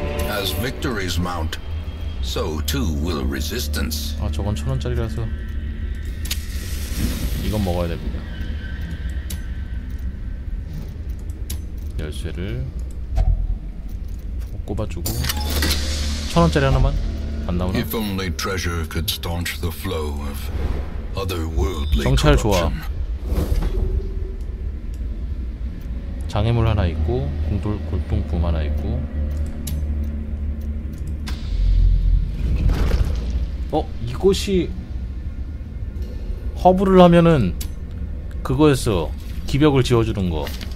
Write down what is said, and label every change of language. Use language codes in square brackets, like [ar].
[en] As victories mount, so too will resistance. [ko] 아 저건 1000원짜리라서 이건 먹어야 됩니다. 열쇠를 꼽아주고 1000원짜리 하나만 안 나오나? [en] If only treasure could staunch the flow of otherworldly corruption. [ko] 정찰 좋아. 장애물 하나 있고 공돌 골동품 하나 있고. 어? 이곳이 허브를 하면은 그거였어. 기벽을 지워주는 거.